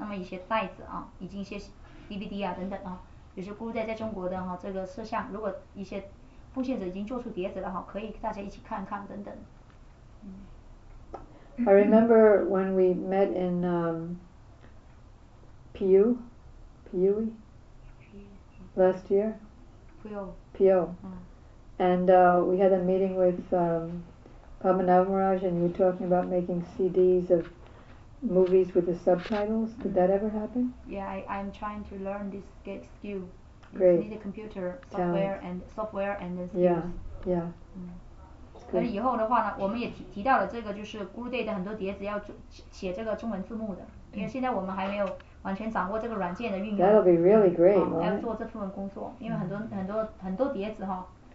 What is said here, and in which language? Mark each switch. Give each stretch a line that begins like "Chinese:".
Chinese: 所以大家就是有一些设施哈，比如说呢有电脑的哈，电视机啊，那么一些袋子啊，以及一些 DVD 啊等等啊，比如说Guru在中国的哈这个摄像，如果一些奉献者已经做出碟子了哈，可以大家一起看看等等。
English: I remember when we met in Pui last year. Pui. And we had a meeting with. Pamanav Maharaj, and you were talking about making CDs of movies with the subtitles. Did that ever happen? Yeah, I'm trying to learn this get skill. Great. You need a computer software and then skills. Yeah.
Chinese: 但是以后的话呢，我们也提到了这个，就是Guru Day的很多碟子要写这个中文字幕的，因为现在我们还没有完全掌握这个软件的运用。
English: That'll be really great.
Chinese: 要做这部分工作，因为很多碟子哈。